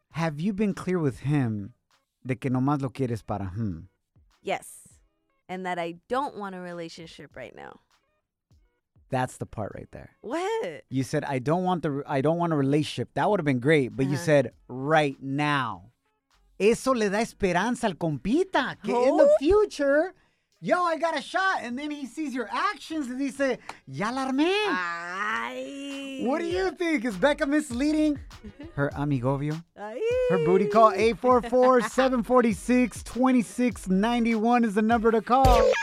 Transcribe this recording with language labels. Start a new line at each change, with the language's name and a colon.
English: Have you been clear with him
Spanish: de que nomás lo quieres para
English: him? Yes. And that I don't want a relationship right now. That's the part right there. What? You said, I don't want a relationship. That would have been great. But uh-huh. you said, right now.
Spanish: Eso le da esperanza al compita. Que oh?
English: in the future, yo, I got a shot. And then he sees your actions and he says,
Spanish: ya la armé. Ay.
English: What do you think? Is Becca misleading her amigovio? Her booty call, 844-746-2691 is the number to call.